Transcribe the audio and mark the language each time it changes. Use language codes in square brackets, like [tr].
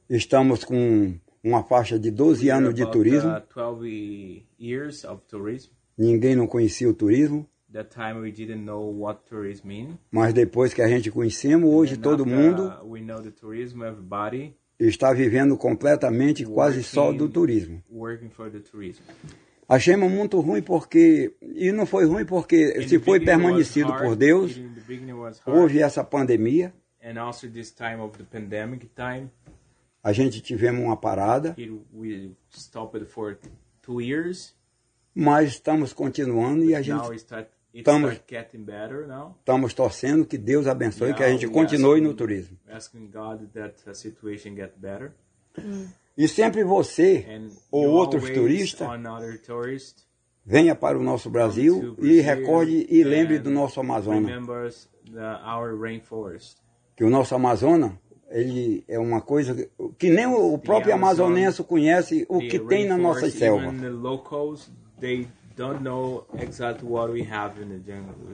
[pt] Estamos com uma faixa de 12 anos de turismo. [en] 12 years of tourism. [pt] Ninguém não conhecia o turismo. [en] That time we didn't know what tourism mean. [pt] Mas depois que a gente conhecemos, hoje [en] and [pt] todo mundo [en] we know the tourism, everybody [pt] está vivendo completamente quase só do turismo. [en] Working for the tourism. [pt] Achamos muito ruim porque, e não foi ruim porque [en] in [pt] se foi permanecido [en] hard, [pt] por Deus, houve essa pandemia. [en] And also this time of the pandemic time. [pt] A gente tivemos uma parada. [en] It, we stopped for 2 years. [pt] Mas estamos continuando [en] but [pt] e a gente estamos [en] getting better now. [pt] Estamos torcendo que Deus abençoe, yeah, que a gente continue [en] asking, [pt] no turismo. [en] Asking God that the situation get better. [pt] E sempre você [en] and [pt] ou outros turistas [en] tourist, [pt] venha para o nosso Brasil e recorde e lembre do nosso Amazonas. [en] Our rainforest. [pt] Que o nosso Amazonas ele é uma coisa que nem o próprio [en] Amazon, [pt] amazonense conhece o que tem na nossa selva. [en] The locals they don't know exactly what we have in the jungle.